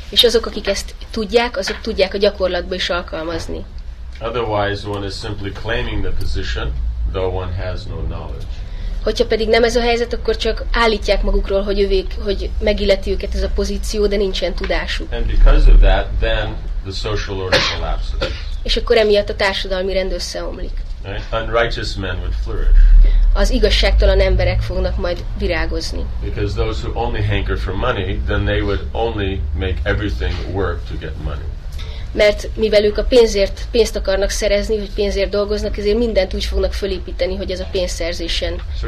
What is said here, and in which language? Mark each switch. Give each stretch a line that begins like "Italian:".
Hungarian: És azok, akik ezt tudják, azok tudják a gyakorlatba is alkalmazni.
English: Otherwise, one is simply claiming the position, though one has no knowledge.
Hungarian: Hogyha pedig nem ez a helyzet, akkor csak állítják magukról, hogy ők, hogy megilleti őket ez a pozíció, de nincsen tudásuk.
English: And because of that, then the social order collapses.
Hungarian: És akkor emiatt a társadalmi rend összeomlik.
English: Right? Unrighteous men would flourish.
Hungarian: Az igazságtalan emberek fognak majd virágozni.
English: Because those who only hanker for money, then they would only make everything work to get money.
Hungarian: Mert mivel ők a pénzért pénzt akarnak szerezni, hogy pénzért dolgoznak, ezért mindent úgy fognak fölépíteni, hogy ez a pénzszerzésen.